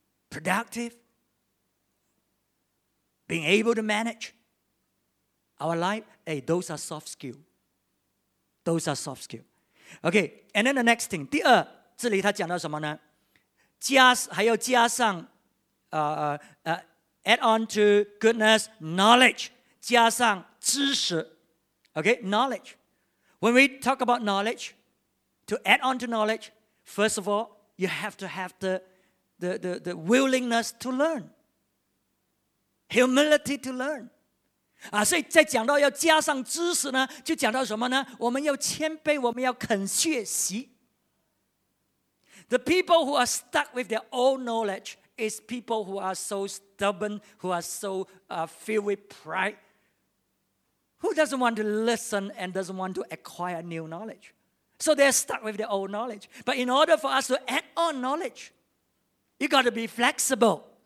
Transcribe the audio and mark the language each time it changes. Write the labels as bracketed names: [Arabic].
[English] Productive, being able to manage our life. Hey, those are soft skills. Okay, and then the next thing. [Chinese] 第二, 这里他讲到什么呢? 加, 还要加上, [English] add on to goodness, knowledge. [Chinese] 加上知识. [English] Okay, knowledge. When we talk about knowledge, to add on to knowledge, first of all, you have to have the willingness to learn. Humility to learn. [Chinese] 所以在讲到要加上知识呢, 就讲到什么呢? 我们要谦卑, 我们要肯学习。 [English] The people who are stuck with their old knowledge is people who are so stubborn, who are so filled with pride. Who doesn't want to listen and doesn't want to acquire new knowledge? So they're stuck with their old knowledge. But in order for us to add on knowledge, you got to be flexible.